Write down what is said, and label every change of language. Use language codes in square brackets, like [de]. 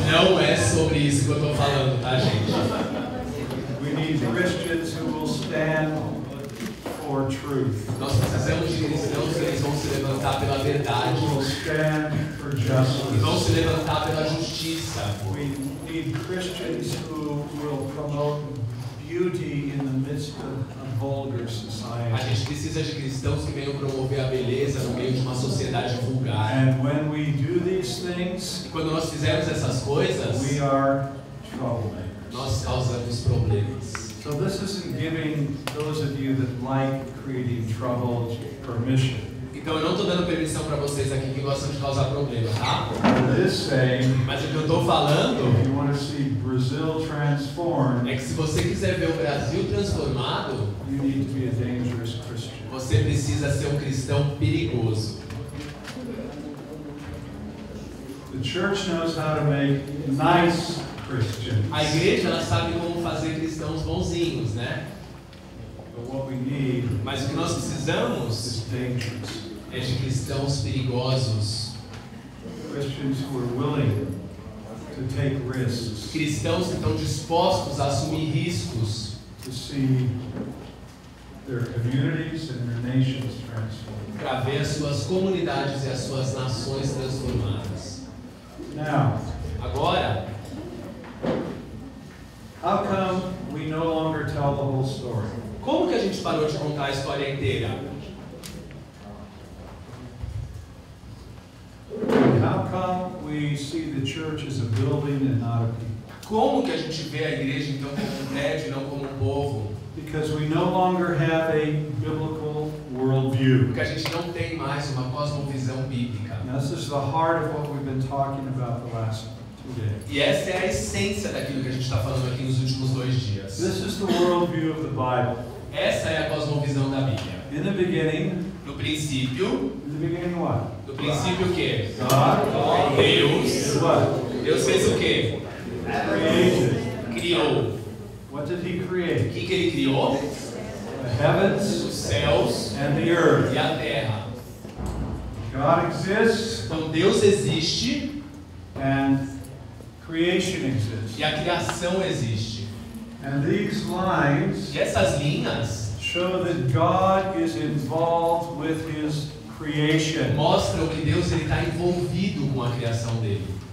[pt] Não é sobre isso que eu estou falando, tá, gente? [en] We need for truth. [pt] Nós precisamos de cristãos que eles vão se levantar pela verdade. [en] We will stand for justice. [pt] Vão se levantar pela justiça. [en] We need Christians who will promote beauty in the midst of a vulgar society. [pt] A gente precisa de cristãos que venham promover a beleza no meio de uma sociedade vulgar. [en] And when we do these things, [pt] e quando nós fizermos essas coisas, [en] we are troublemakers. [pt] Nós causamos problemas. [en] So this isn't giving those of you that like creating trouble permission. [pt] Então eu não estou dando permissão para vocês aqui que gostam de causar problemas, tá? [en] Saying, [pt] mas o que eu estou falando, [en] if you want to see Brazil transformed, [pt] é que se você quiser ver o Brasil transformado, [en] you need to be a dangerous Christian. [pt] Você precisa ser um cristão perigoso. [en] The church knows how to make nice Christians. [pt] A igreja ela sabe como fazer cristãos bonzinhos, né? [en] But what we need, [pt] mas o que nós precisamos [en] is dangerous. [pt] É de cristãos perigosos. [en] Christians who are willing to take risks. [pt] Cristãos que estão dispostos a assumir riscos. [en] To see their communities and their nations transformed. [pt] Para ver as suas comunidades e as suas nações transformadas. [en] Now, [pt] agora, [en] how come we no longer tell the whole story? [pt] Como que a gente parou de contar a história inteira? [en] How come we see the church as a building and not a people? [pt] Como que a gente vê a igreja então como um prédio, não como um povo? [en] Because we no longer have a biblical worldview. [pt] Porque a gente não tem mais uma cosmovisão bíblica. [en] This is the heart of what we've been talking about the last two days. [pt] E essa é a essência daquilo que a gente está falando aqui nos últimos dois dias. [en] This is the worldview of the Bible. [pt] Essa é a cosmovisão da Bíblia. [en] In the beginning. [pt] No princípio. [en] In the beginning what? [pt] No princípio o quê? [en] God. [pt] Deus. [en] What? [pt] Deus fez o quê? [en] Created. [pt] Criou. [en] What did he create? [pt] O que, que ele criou? [en] The heavens. [pt] Os céus. [en] And the earth. [pt] E a terra. [en] God exists. [pt] Então Deus existe. [en] And creation exists. [pt] E a criação existe. [en] And these lines, [pt] e essas linhas, [en] show that God is involved with his creation. [pt] Mostram que Deus ele está envolvido com a criação dele.